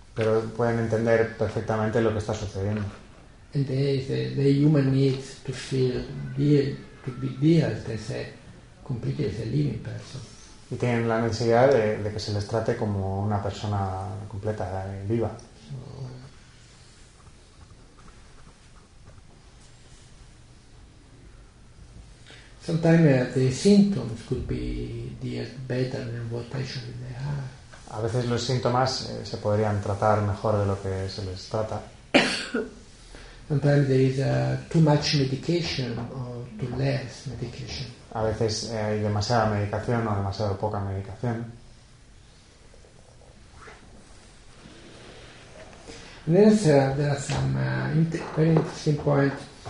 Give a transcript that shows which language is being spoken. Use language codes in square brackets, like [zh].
[es] Pero pueden entender perfectamente lo que está sucediendo. [en] And the human needs to feel dear, to be dear, they say, completely as a living person. [es] Y tienen la necesidad de que se les trate como una persona completa, viva. [en] Sometimes the symptoms could be dealt better than what actually they are. [es] A veces los síntomas se podrían tratar mejor de lo que se les trata. [en] Sometimes there is too much medication or too less medication. [es] A veces hay demasiada medicación o demasiado poca medicación. [en] And then there are some very interesting points.